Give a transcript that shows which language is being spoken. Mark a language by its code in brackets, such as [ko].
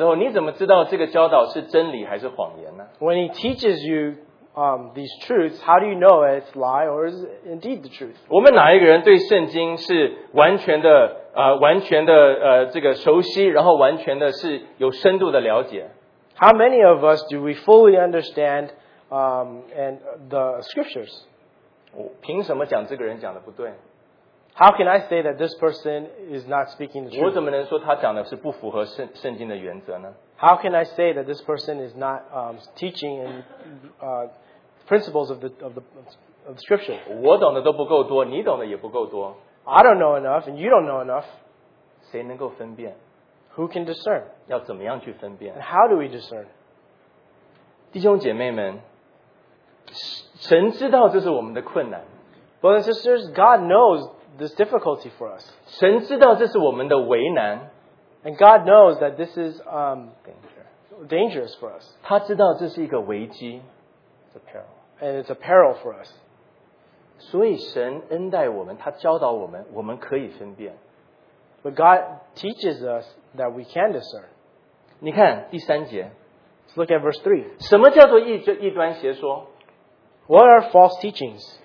[zh] 当他教导你所谓成圣之道的时候，你怎么知道这个教导是真理还是谎言呢？ [en] When he teaches you these truths, how do you know it's lie or is it indeed the truth? [zh] 我们哪一个人对圣经是完全的？完全的熟悉，然后完全的是有深度的了解。 [en] How many of us do we fully understand and the scriptures? [zh] 凭什么讲这个人讲的不对？ [en] How can I say that this person is not speaking the truth? [zh] 我怎么能说他讲的是不符合圣经的原则呢？ [en] How can I say that this person is not teaching in principles of the scripture? [zh] 我懂的都不够多，你懂的也不够多。 [en] I don't know enough, and you don't know enough. [zh] 谁能够分辨？ [en] Who can discern? [zh] 要怎么样去分辨？ [en] And how do we discern? [zh] 弟兄姐妹们， 神知道这是我们的困难。 [en] Brothers and sisters, God knows this difficulty for us. [zh] 神知道这是我们的为难。 [en] And God knows that this is dangerous for us. [zh] 他知道这是一个危机。 [en] It's a peril. And it's a peril for us. [zh] 所以神恩待我们，他教导我们，我们可以分辨。 [en] But God teaches us that we can discern. [zh] 你看第三节。 [en] Let's look at verse 3. [zh] 什么叫做异端邪说？ [en] What are false teachings?